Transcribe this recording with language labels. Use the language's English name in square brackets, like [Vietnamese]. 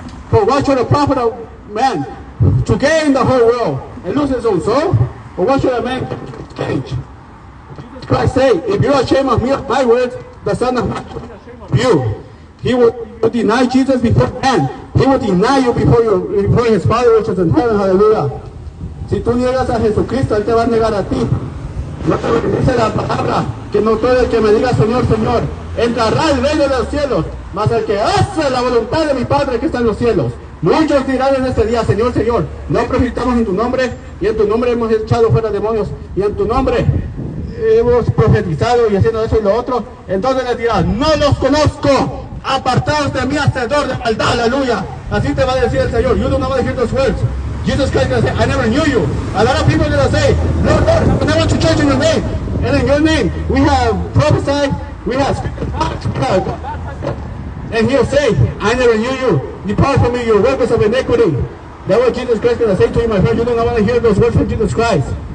[Spanish] For what should a profit a man to gain the whole world and lose his own soul? Or what should a man gain? Jesus Christ say, if you are ashamed of me, of my words, the Son of Man shall be ashamed of you. He will deny Jesus before man. He will deny you before his Father, which is in heaven. [English] Hallelujah. [Spanish] Si tú niegas a Jesucristo, Él te va a negar a ti. No te dice la palabra, que no todo el que me diga Señor, Señor, entrará el reino de los cielos, mas el que hace la voluntad de mi Padre que está en los cielos. Muchos dirán en este día, Señor, Señor, no profetizamos en tu nombre, y en tu nombre hemos echado fuera demonios, y en tu nombre hemos profetizado y haciendo eso y lo otro. Entonces les dirá, no los conozco, apartados de mí, hacedor de maldad, aleluya. Así te va a decir el Señor. [English] You don't know how to hear those words. Jesus Christ is going to say, I never knew you. A lot of people are going to say, Lord, Lord, I never went to church in your name. And in your name, we have prophesied, we have spoken. And he'll say, I never knew you. Depart from me, you workers of iniquity. That's what Jesus Christ is going to say to you, my friend. You don't want to hear those words from Jesus Christ.